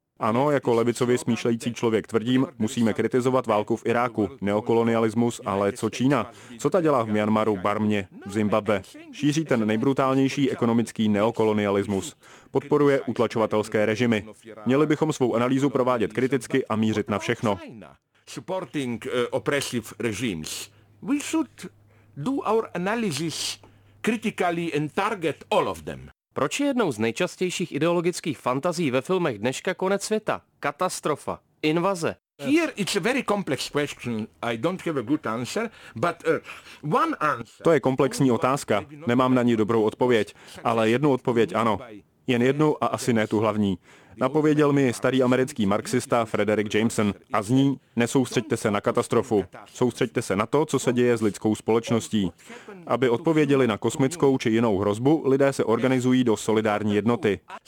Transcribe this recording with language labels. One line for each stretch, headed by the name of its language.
Czech: Ano, jako levicově smýšlející člověk tvrdím, musíme kritizovat válku v Iráku, neokolonialismus, ale co Čína? Co ta dělá v Myanmaru, Barmě, v Zimbabwe? Šíří ten nejbrutálnější ekonomický neokolonialismus. Podporuje utlačovatelské režimy. Měli bychom svou analýzu provádět kriticky a mířit na všechno.
English: Supporting oppressive regimes. We should do our analysis critically and target all of them.
Czech: Proč je jednou z nejčastějších ideologických fantazí ve filmech dneška konec světa? Katastrofa, invaze.
English: Here it's a very complex question. I don't have a good answer, but one answer.
Czech: To je komplexní otázka. Nemám na ní dobrou odpověď, ale jednu odpověď ano. Jen jednu a asi ne tu hlavní. Napověděl mi starý americký marxista Frederick Jameson a zní, nesoustřeďte se na katastrofu, soustřeďte se na to, co se děje s lidskou společností. Aby odpověděli na kosmickou či jinou hrozbu, lidé se organizují do solidární jednoty.